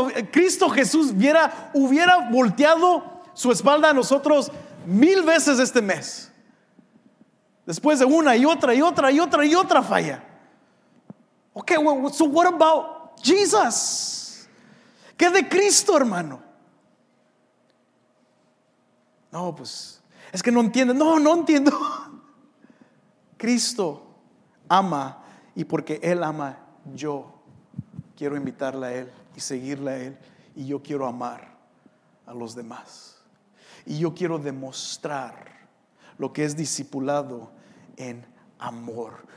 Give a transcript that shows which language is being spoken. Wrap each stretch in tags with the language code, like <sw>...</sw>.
<es>Cristo Jesús hubiera volteado su espalda a nosotros 1,000 veces este mes. Después de una y otra y otra y otra y otra falla.</es> <en>Ok, well, so what about Jesus?</en> <es>¿Qué de Cristo, hermano? No, pues es que no entiendo. No, no entiendo. Cristo ama y porque Él ama, yo quiero invitarle a Él y seguirle a Él. Y yo quiero amar a los demás. Y yo quiero demostrar lo que es discipulado en amor.</es>